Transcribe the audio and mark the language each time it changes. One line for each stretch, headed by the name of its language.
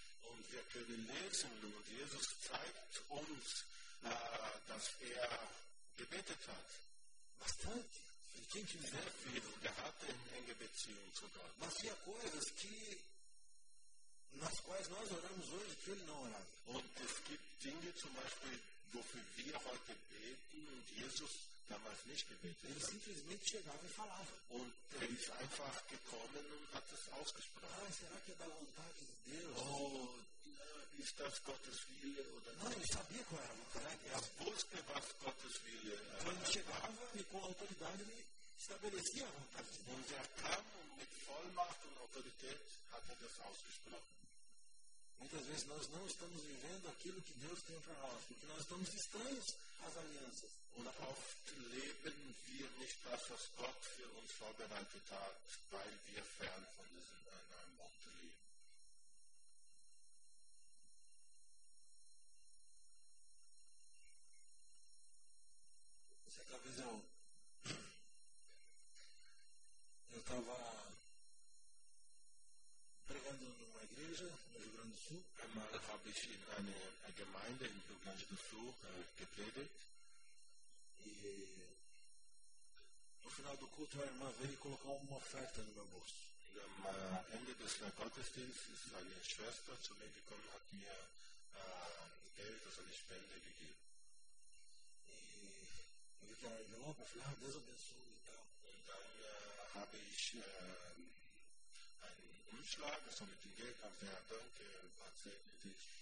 German: Und wir können lesen, und Jesus zeigt uns, dass gebetet hat.
Portuguese: Bastante. Ele tinha intimidade.
German: Er hatte enge Beziehung zu Gott.
Portuguese: Mas havia coisas que, nas quais nós oramos hoje, que ele não orava.
German: Und es gibt Dinge, zum Beispiel, wofür wir heute beten, und Jesus damals nicht gebetet hat.
Portuguese: Ele simplesmente chegava e falava.
German: Und er ist einfach gekommen und hat es ausgesprochen.
Portuguese: Ah, será que é da vontade de Deus?
German: Ist das Gottes Wille oder nicht?
Portuguese: Não, ele sabia qual era a vontade.
German: Er wusste, was Gottes Wille
Portuguese: era. Então ele chegava e com autoridade ele estabelecia a vontade de Deus.
German: Und er kam und mit Vollmacht und Autorität hat er das ausgesprochen.
Portuguese: Muitas vezes nós não estamos vivendo aquilo que Deus tem para nós, porque nós estamos estranhos às alianças.
German: Und oft leben wir nicht das, was Gott für uns vorbereitet hat, weil wir fern von diesem neuen Bund leben.
Portuguese: Certa vez eu estava pregando numa igreja no Rio Grande do Sul.
German: Einmal habe ich in einer Gemeinde im Rio Grande do Sul gepredigt.
Portuguese: E no final do culto, a irmã veio e colocou uma oferta no meu bolso.
German: E am Ende des Gottesdienstes, eine Schwester zu mir gekommen, hat mir Geld, also eine Spende gegeben.
Portuguese: E eu vi que era envelope, eu falei, ah, Deus abençoe e tal.
German: E dann habe ich einen Umschlag, so mit dem Geld, habe ich gesagt, danke, war sehr nötig.